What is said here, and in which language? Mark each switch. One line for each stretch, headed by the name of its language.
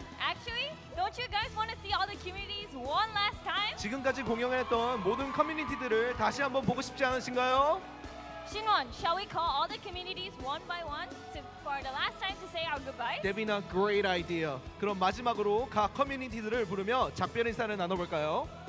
English: Actually, don't you guys want to see all the communities one last time?
Korean: 지금까지 공연했던 모든 커뮤니티들을 다시 한번 보고 싶지 않으신가요?
English: Shinwon, shall we call all the communities one by one for the last time to say our goodbyes? Devina, great idea.
Korean: 그럼 마지막으로 각 커뮤니티들을 부르며 작별 인사를 나눠볼까요?